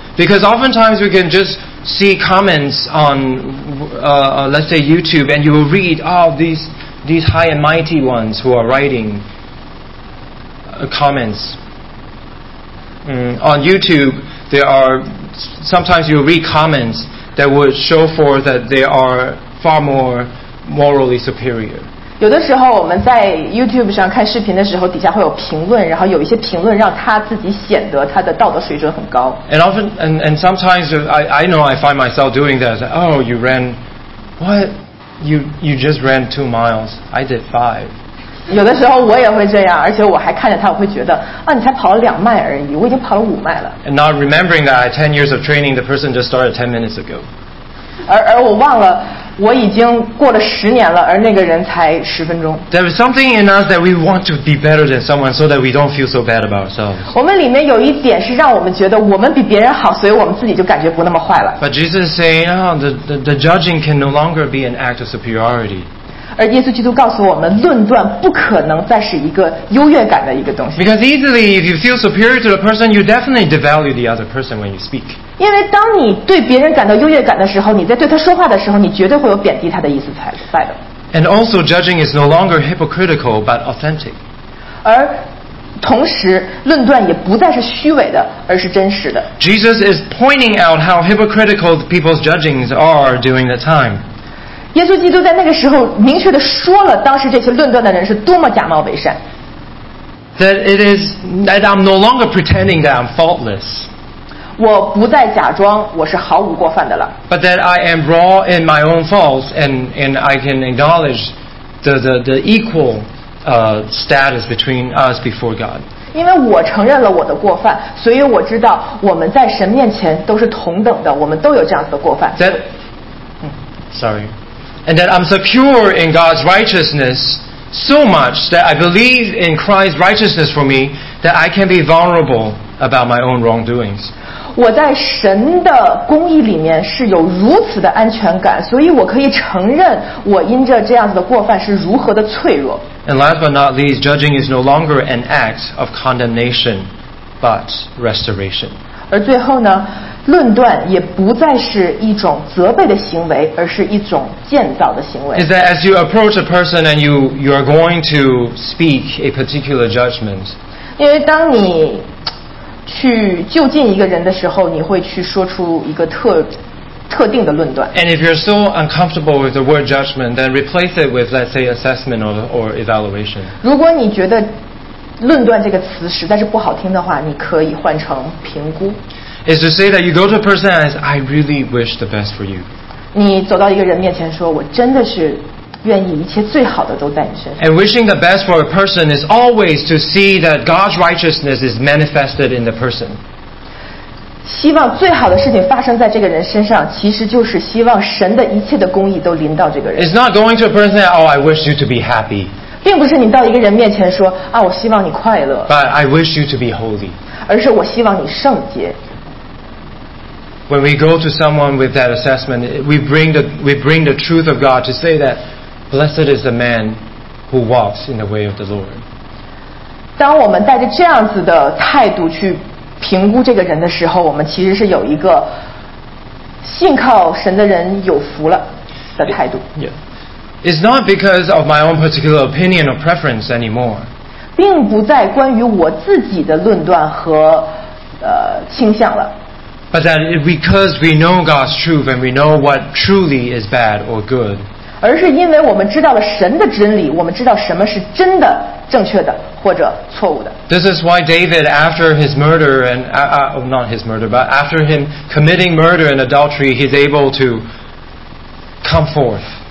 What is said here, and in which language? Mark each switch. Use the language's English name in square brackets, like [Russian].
[English] Because oftentimes we can just see comments on, let's say YouTube, and you will read, oh, these high and mighty ones who are writing comments. On YouTube, there are, sometimes you read comments that would show forth that they are far more morally superior. [Chinese] 有的时候我们在 YouTube上看视频的时候，底下会有评论，然后有一些评论让他自己显得他的道德水准很高。 [English] And sometimes I know I find myself doing that. Oh, you ran, what? You just ran 2 miles. I did 5. [Chinese] 有的时候我也会这样，而且我还看着他，我会觉得啊，你才跑了两迈而已，我已经跑了五迈了。 [English] And not remembering that I had 10 years of training, the person just started 10 minutes ago. [Chinese] 而我忘了，我已经过了十年了，而那个人才十分钟。 [English] There is something in us that we want to be better than someone so that we don't feel so bad about ourselves. [Chinese] 我们里面有一点是让我们觉得我们比别人好，所以我们自己就感觉不那么坏了。 [English] But Jesus is saying, oh, the judging can no longer be an act of superiority. [Chinese] 而耶稣基督告诉我们，论断不可能再是一个优越感的一个东西。 [English] Because easily, if you feel superior to the person, you definitely devalue the other person when you speak. [Chinese] 因为当你对别人感到优越感的时候，你在对他说话的时候，你绝对会有贬低他的意思才在的。 [English] And also, judging is no longer hypocritical but authentic. [Chinese] 而同时，论断也不再是虚伪的，而是真实的。 [English] Jesus is pointing out how hypocritical people's judgings are during the time. [Chinese] 耶稣基督在那个时候明确地说了，当时这些论断的人是多么假冒伪善。 [English] That it is that I'm no longer pretending that I'm faultless. [Chinese] 我不再假装我是毫无过犯的了。 [English] But that I am raw in my own faults, and I can acknowledge the equal status between us before God. [Chinese] 因为我承认了我的过犯，所以我知道我们在神面前都是同等的，我们都有这样子的过犯。 [English] That, sorry. And that I'm secure in God's righteousness so much that I believe in Christ's righteousness for me that I can be vulnerable about my own wrongdoings. [Chinese] 我在神的公义里面是有如此的安全感，所以我可以承认我因着这样子的过犯是如何的脆弱。 [English] And last but not least, judging is no longer an act of condemnation, but restoration. [Chinese] 而最后呢？论断也不再是一种责备的行为，而是一种建造的行为。 [English] Is that as you approach a person and you are going to speak a particular judgment? [Chinese] 因为当你去就近一个人的时候，你会去说出一个特定的论断。 [English] And if you're still uncomfortable with the word judgment, then replace it with, let's say, assessment or evaluation. [Chinese] 如果你觉得论断这个词实在是不好听的话，你可以换成评估。 [English] Is to say that you go to a person and say, I really wish the best for you. [Chinese] 你走到一个人面前说，我真的是愿意一切最好的都在你身上。 [English] And wishing the best for a person is always to see that God's righteousness is manifested in the person. [Chinese] 希望最好的事情发生在这个人身上，其实就是希望神的一切的公义都临到这个人。 [English] It's not going to a person and say, oh, I wish you to be happy. [Chinese] 并不是你到一个人面前说，啊，我希望你快乐。 [English] But I wish you to be holy. [Chinese] 而是我希望你圣洁。 [English] When we go to someone with that assessment, we bring the truth of God to say that blessed is the man who walks in the way of the Lord. [Chinese] 当我们带着这样子的态度去评估这个人的时候，我们其实是有一个信靠神的人有福了的态度。 [English] Yeah. It's not because of my own particular opinion or preference anymore. [Chinese] 并不再关于我自己的论断和倾向了。 [English] But that because we know God's truth and we know what truly is bad or good. [Chinese] 而是因为我们知道了神的真理，我们知道什么是真的、正确的或者错误的。 [English] This is why David, after his murder and not his murder, but after him committing murder and adultery, he's able to come forth.